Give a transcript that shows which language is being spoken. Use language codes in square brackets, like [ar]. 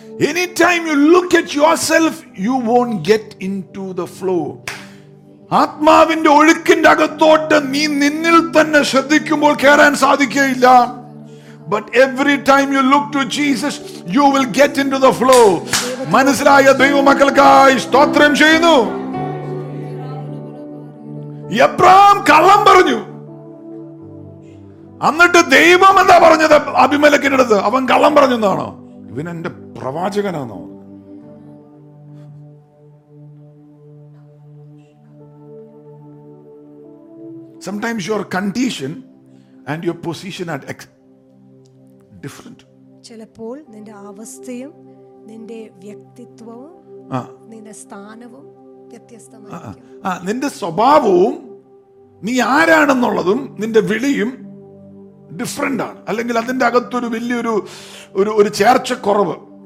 [en] Anytime you look at yourself, you won't get into the flow. [ml] ആത്മാവിന്റെ ഒഴുക്കിന്റെ അകത്തോട്ട് നീ നിന്നിൽ തന്നെ ശ്രദ്ധിക്കുമ്പോൾ കയറാൻ സാധിക്കുകയില്ല. [en] But every time you look to Jesus, you will get into the flow. [ml] മനസ്സിലായ ദൈവമക്കൾക്കായി സ്തോത്രം ചെയ്യുന്നു. എബ്രഹാം കള്ളം പറഞ്ഞു, എന്നിട്ട് ദൈവം എന്താ പറഞ്ഞത് അബിമലക്കിന്റെ അടുത്ത്? അവൻ കള്ളം പറഞ്ഞതാണോ? ഇവനെന്റെ പ്രവാചകനാണോ? [en] Sometimes your condition and your position are different. [ml] ചിലപ്പോൾ നിന്റെ അവസ്ഥയും നിന്റെ വ്യക്തിത്വവും നിന്റെ സ്ഥാനവും വ്യത്യസ്തമായിരിക്കും. നിന്റെ സ്വഭാവവും നീ ആരാണെന്നുള്ളതും നിന്റെ വിളിയും ഡിഫറെന്റ് ആണ്. അല്ലെങ്കിൽ അതിന്റെ അകത്തൊരു വലിയൊരു ഒരു ഒരു ചേർച്ച കുറവ്.